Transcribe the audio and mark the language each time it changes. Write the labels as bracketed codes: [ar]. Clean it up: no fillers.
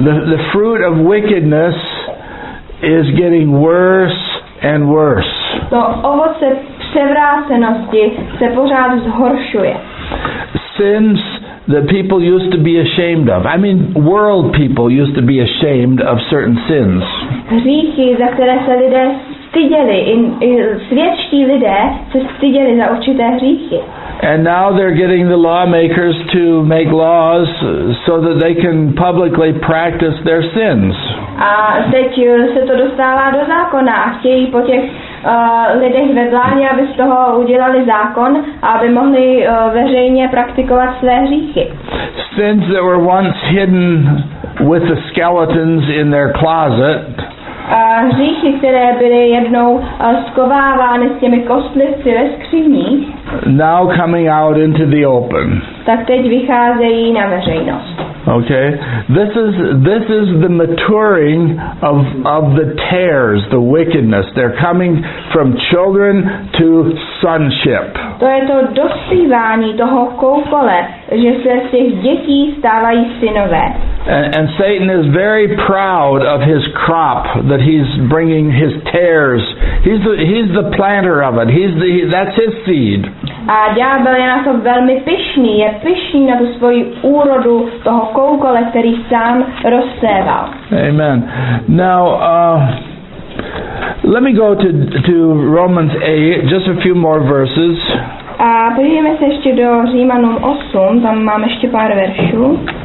[en] The fruit of wickedness is getting worse and worse. [cs] To ovoce převrácenosti se pořád zhoršuje. [en] Sins that people used to be ashamed of. I mean, world people used to be ashamed of certain sins. [cs] Hříchy, za které se lidé styděli, i světští lidé se styděli za určité hříchy. [en] And now they're getting the lawmakers to make laws so that they can publicly practice their sins. [cs] A teď se to dostává do zákona a chtějí po těch lidech ve vládě, aby z toho udělali zákon, aby mohli veřejně praktikovat své hříchy. [en] Sins that were once hidden with the skeletons in their closet. [cs] Hříchy, které byly jednou schovávány s těmi kostlivci ve skříní. [en] Now coming out into the open. [cs] Tak teď vycházejí na veřejnost. [en] Okay. This is the maturing of the tares, the wickedness. They're coming from children to sonship. [cs] To je to dospívání toho koukole, že se z těch dětí stávají synové. [en] And Satan is very proud of his crop that he's bringing, his tares. He's the planter of it. That's his seed. [cs] A ďábel je na to velmi pyšný, je pyšný na tu svoji úrodu toho koukole, který sám rozséval. [en] Amen. Now, let me go to Romans 8, just a few more verses. [cs] A podívejme se ještě do Římanům 8, tam máme ještě pár veršů.